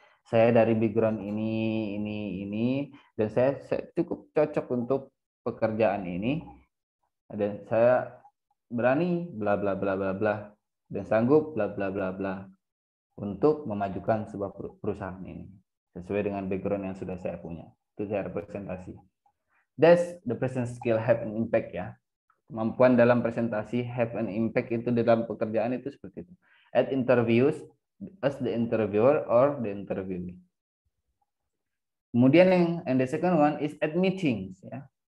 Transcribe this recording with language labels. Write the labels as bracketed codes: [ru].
[id] Saya dari background ini, dan saya cukup cocok untuk pekerjaan ini, dan saya berani bla bla bla bla bla, dan sanggup bla bla bla bla untuk memajukan sebuah perusahaan ini sesuai dengan background yang sudah saya punya. Itu saya representasi. [en] That's the present skill have an impact ya. [id] Kemampuan dalam presentasi [en] have an impact [id] itu dalam pekerjaan itu seperti itu. [en] At interviews, as the interviewer or the interviewee. [id] Kemudian [en] and the second one is at meetings ya.